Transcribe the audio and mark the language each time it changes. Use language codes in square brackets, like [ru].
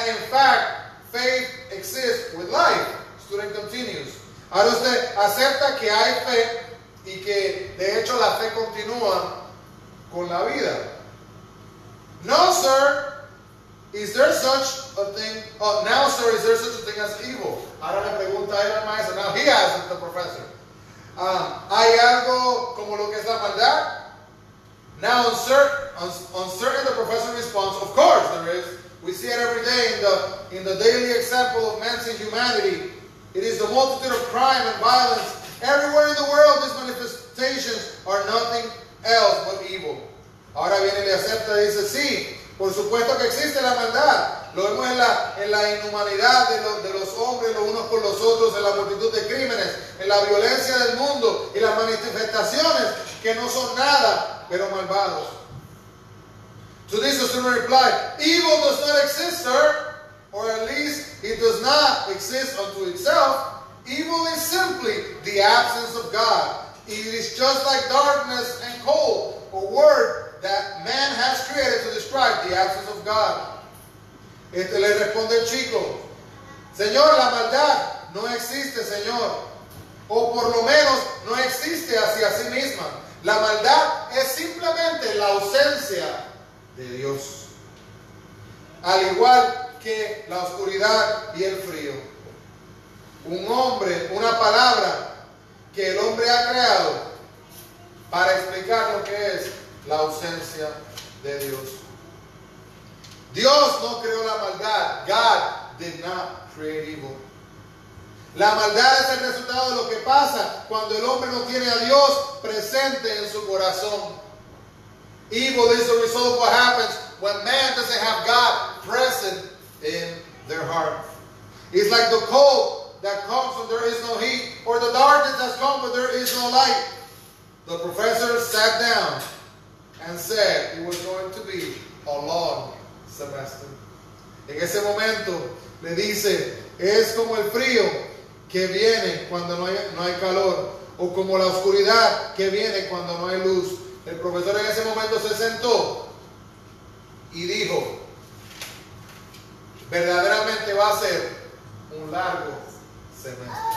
[en] fact, faith exists with life. Student continues. [es] Ahora usted acepta que hay fe y que de hecho la fe continúa con la vida. [en] No, sir. Is there such a thing? Oh, now, sir, is there such a thing as evil? [es] Ahora le pregunta él al maestro. [en] Now he asks the professor. [es] ¿Hay algo como lo que es la maldad? [en] Now, uncertain, the professor responds. Of course, there is. We see it every day in the daily example of man's inhumanity. It is the multitude of crime and violence everywhere in the world. These manifestations are nothing else but evil. [es] Ahora viene y le acepta y dice sí. Por supuesto que existe la maldad. Lo vemos en la inhumanidad de los hombres, los unos con los otros, en la multitud de crímenes, en la violencia del mundo y las manifestaciones que no son nada, pero malvados. [en] To this, the student replied, evil does not exist, sir, or at least it does not exist unto itself. Evil is simply the absence of God. It is just like darkness and cold, a word that man has created to describe the absence of God. [es] Este le responde el chico. Señor, la maldad no existe, señor. O por lo menos no existe hacia sí misma. La maldad es simplemente la ausencia de Dios. Al igual que la oscuridad y el frío. Un hombre, una palabra que el hombre ha creado para explicar lo que es la ausencia de Dios. Dios no creó la maldad. [en] God did not create evil. [es] La maldad es el resultado de lo que pasa cuando el hombre no tiene a Dios presente en su corazón. [en] Evil is the result of what happens when man doesn't have God present in their heart. It's like the cold that comes when there is no heat, or the darkness that comes when there is no light. The professor sat down and said it was going to be a long semester. [es] En ese momento le dice, es como el frío que viene cuando no hay calor, o como la oscuridad que viene cuando no hay luz. El profesor en ese momento se sentó y dijo, verdaderamente va a ser un largo semestre.